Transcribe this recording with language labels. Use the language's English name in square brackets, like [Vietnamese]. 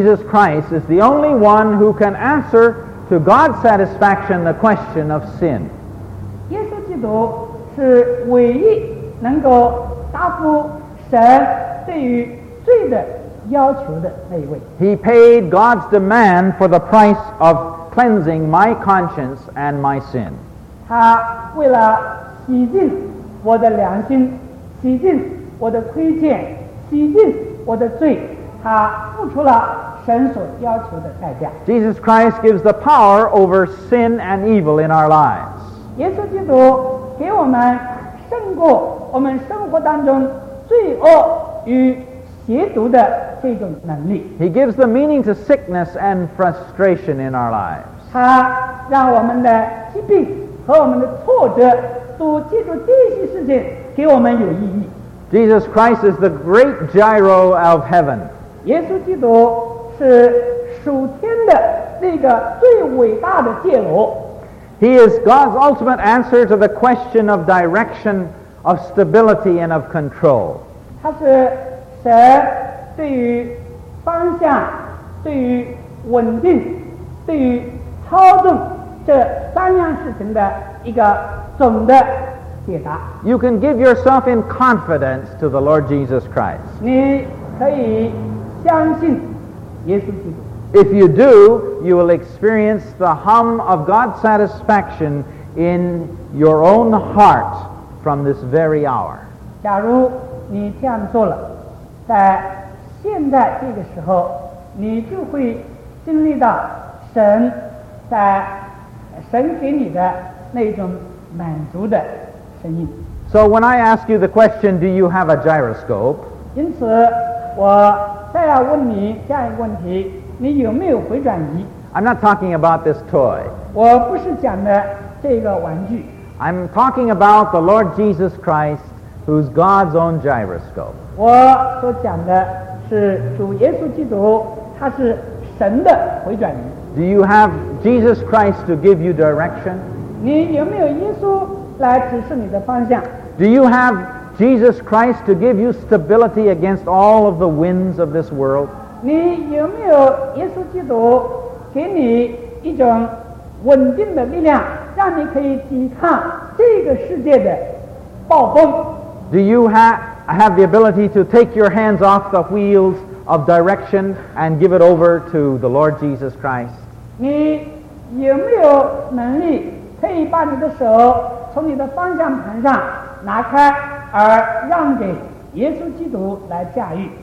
[English] Jesus Christ is the only one who can answer to God's satisfaction the question of sin. [Chinese] 耶稣基督是唯一能够答复神对于罪的要求的那一位。 [English] He paid God's demand for the price of cleansing my conscience and my sin. [Chinese] 他为了洗净我的良心，洗净我的亏欠，洗净我的罪，他付出了神所要求的代价。 [English] Jesus Christ gives the power over sin and evil in our lives. [Chinese] 耶稣基督给我们胜过我们生活当中罪恶与邪毒的这种能力。 [English] He gives the meaning to sickness and frustration in our lives. [Chinese] 他让我们的疾病和我们的挫折都借助这些事情给我们有意义。 [English] Jesus Christ is the great gyro of heaven. [Chinese] 耶稣基督是属天的那个最伟大的介罗。 [English] He is God's ultimate answer to the question of direction, of stability, and of control. [Chinese] 他是神对于方向、对于稳定、对于操纵这三样事情的一个总的解答。 [English] You can give yourself in confidence to the Lord Jesus Christ. [Chinese] 你可以相信耶稣基督。 [English] If you do, you will experience the hum of God's satisfaction in your own heart from this very hour. [Chinese] 假如你这样做了，在现在这个时候，你就会经历到神在神给你的那种满足的声音。 [English] So when I ask you the question, do you have a gyroscope? [Chinese] 因此，我再要问你这样一个问题：你有没有回转仪？ [English] I'm not talking about this toy. [Chinese] 我不是讲的这个玩具。 [English] I'm talking about the Lord Jesus Christ, who's God's own gyroscope. [Chinese] 我所讲的是主耶稣基督，他是神的回转仪。 [English] Do you have Jesus Christ to give you direction? [Chinese] 你有没有耶稣来指示你的方向？ [English] Do you have Jesus Christ to give you stability against all of the winds of this world? [Chinese] 你有没有耶稣基督给你一种稳定的力量，让你可以抵抗这个世界的暴风？ [English] Do you have the ability to take your hands off the wheels of direction and give it over to the Lord Jesus Christ? [Chinese] 你有没有能力可以把你的手从你的方向盘上拿开，而让给耶稣基督来驾驭？